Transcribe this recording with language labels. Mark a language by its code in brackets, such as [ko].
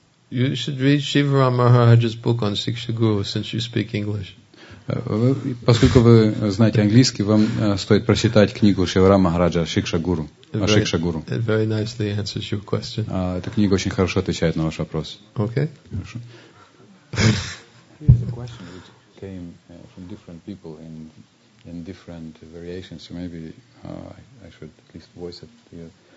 [en] You should read Shivara Maharaj's book on Siksha Guru since you speak English. [ru] Поскольку вы знаете английский, вам стоит прочитать книгу Шивара Махараджа Шикша Гуру. [en] It very nicely answers your question. [ru] Эта книга очень хорошо отвечает на ваш вопрос. [en] Okay. Here's a question which came from different people in different variations. So maybe I should at least voice it to you.